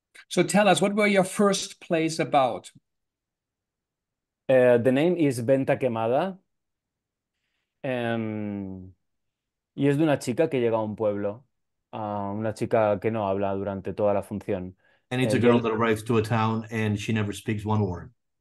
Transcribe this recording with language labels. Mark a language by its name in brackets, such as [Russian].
[English] So tell us, what were your first plays about? The name is Venta Quemada. [Spanish] Y es de una chica que llega a un pueblo, una chica que no habla durante toda la función. [English] And it's a girl that arrives to a town and she never speaks one word.